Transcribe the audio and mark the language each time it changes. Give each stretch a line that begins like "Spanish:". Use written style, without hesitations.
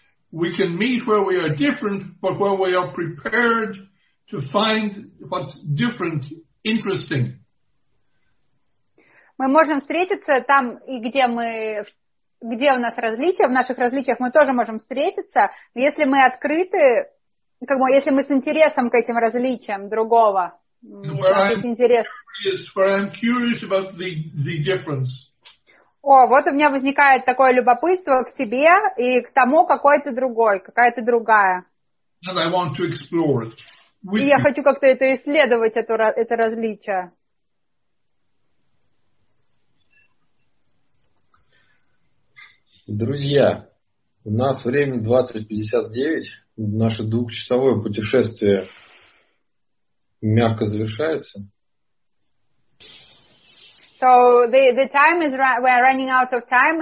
English: We can meet where we are different, but where we are prepared to find what's different interesting.
Russian: Мы можем встретиться там, и где у нас различия, в наших различиях мы тоже можем встретиться, если мы открыты, как бы, если мы с интересом к этим различиям другого.
English: Where I'm curious about the difference.
Russian: О, вот у меня возникает такое любопытство к тебе и к тому, какой ты другой, какая ты другая.
English: And I want to explore it.
Russian: И я хочу как-то это исследовать, это различие. Друзья, у нас время 20:59. Наше двухчасовое путешествие мягко завершается.
English: So the time is we are running out of time.